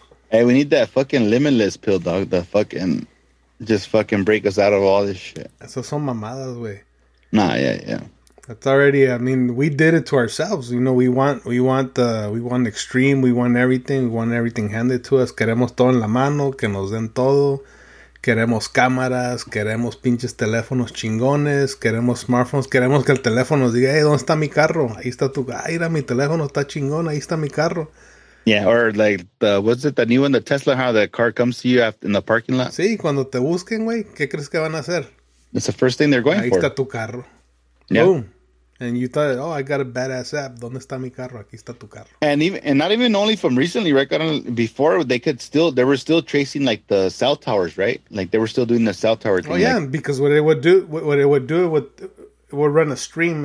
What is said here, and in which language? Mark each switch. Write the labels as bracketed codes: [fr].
[en] Hey, we need that fucking limitless pill, dog. The fucking, just fucking break us out of all this shit. That's some mamadas, way. Nah, yeah. That's already, I mean, we did it to ourselves. You know, we want extreme, we want everything. We want everything handed to us. [es] Queremos todo en la mano, que nos den todo. Queremos cámaras, queremos pinches teléfonos chingones, queremos smartphones, queremos que el teléfono nos diga, hey, ¿dónde está mi carro? Ahí está tu carro, mi teléfono está chingón, ahí está mi carro. [en] Yeah, or like, what's it, the new one, the Tesla, how the car comes to you in the parking lot? [es] Sí, cuando te busquen, güey, ¿qué crees que van a hacer? [en] That's the first thing they're going [es] Ahí [en] for. [es] Ahí está tu carro. [en] Yeah. Boom. And you thought, oh, I got a badass app. [es] ¿Dónde está mi carro? Aquí está tu carro. [en] And even, and not even only from recently, right? Before, they could still, they were still tracing like the cell towers, right? Like they were still doing the cell tower thing. Oh, yeah, like, because what it would do, it would run a stream.